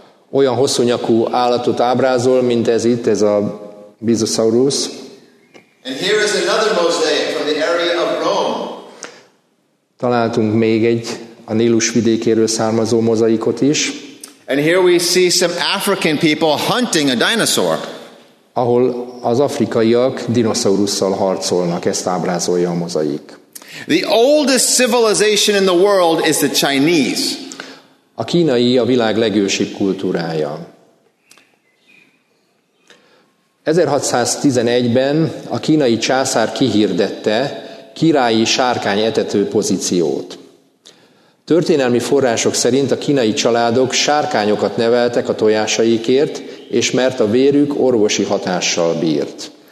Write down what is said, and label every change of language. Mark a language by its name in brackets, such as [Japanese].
[Hungarian] Olyan hosszú nyakú állatot ábrázol, mint ez itt, ez a Bizosaurus. [English] And here is another mosaic from the area of Rome. [Hungarian] Találtunk még egy a Nílus vidékéről származó mozaikot is. [English] And here we see some African people hunting a dinosaur. [Hungarian] Ahol az afrikaiak dinoszaurusszal harcolnak, ezt ábrázolja a mozaik. [English] The oldest civilization in the world is the Chinese. [Hungarian] A kínai a világ legősibb kultúrája. 1611-ben a kínai császár kihirdette királyi sárkány etető pozíciót. Történelmi források szerint a kínai családok sárkányokat neveltek a tojásaikért, és mert a vérük orvosi hatással bírt.